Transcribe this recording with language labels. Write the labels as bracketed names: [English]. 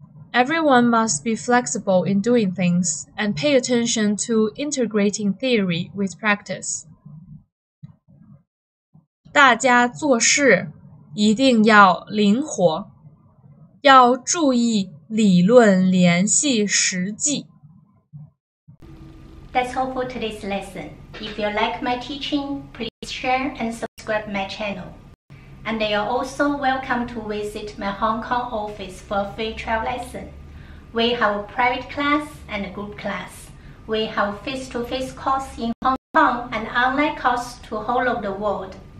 [English] Everyone must be flexible in doing things and pay attention to integrating theory with practice. [Chinese] 大家做事一定要灵活，要注意理论联系实际。 [English] That's all for today's lesson. If you like my teaching, please share and subscribe my channel. And you're also welcome to visit my Hong Kong office for a free travel lesson. We have a private class and a group class. We have face-to-face course in Hong Kong and online course to whole of the world.